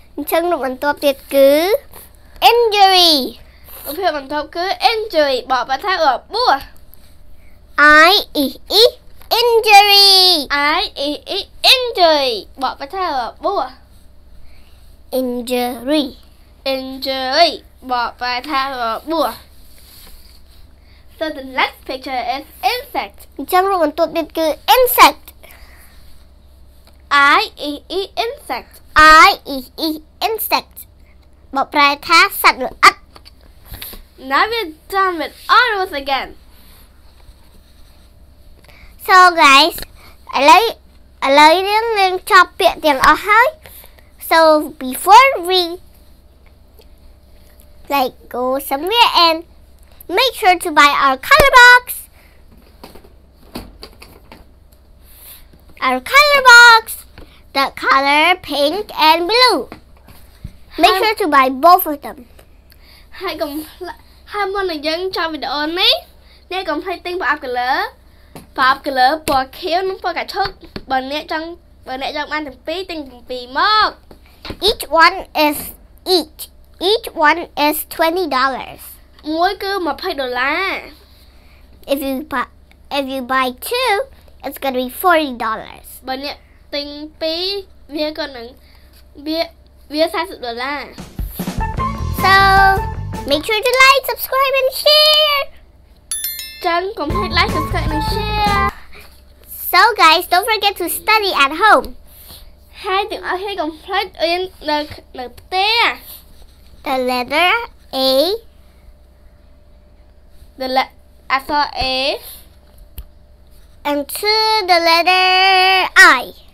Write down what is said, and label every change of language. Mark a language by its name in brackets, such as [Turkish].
[Khmer] ចំណុចបន្ទាប់ទៀតគឺInjury. ឧបករណ៍បន្ទាប់គឺ injury បកប្រែថារបួស [English] I is injury. I is injury [Khmer] បកប្រែថារបួស [English] Injury. Injury [Khmer] បកប្រែថារបួស [English] So the next picture is insect. [Khmer] អញ្ចឹងរូបបន្ទាប់នេះគឺ insect. [English] I is insect. I is insect. [Khmer] បកប្រែថាសត្វល្អិត [English] Now we're done with all of us again. So guys, [Khmer] ឥឡូវយើងនឹងចប់ពាក្យទាំងអស់ហើយ [English] So before we like go somewhere and make sure to buy our color box. Our color box, the color pink and blue. Make sure to buy both of them. [Khmer] Hi, hi, មុននឹងយើងចាប់វីដេអូនេះអ្នកកុំភ្លេចទិញប៉ាប់កលើប៉ាប់កលើពណ៌ខៀវនិងពណ៌កាឈូកបើអ្នកចង់បានទាំងពីរទិញទាំងពីរមក [English] Each one is each one is $20. [Khmer] មួយគឺ20ដុល្លារ [English] If you buy two, it's going to be $40. [Khmer] បើអ្នកទិញពីរវាក៏នឹងវា40ដុល្លារ [English] So make sure to like, subscribe and share. [Khmer] ចឹងកុំភ្លេច [English] like, subscribe and share. So guys, don't forget to study at home. [Khmer] ហើយទាំងអស់គ្នាកុំភ្លេចរៀននៅផ្ទះ [English] The letter A The letter A and to the letter I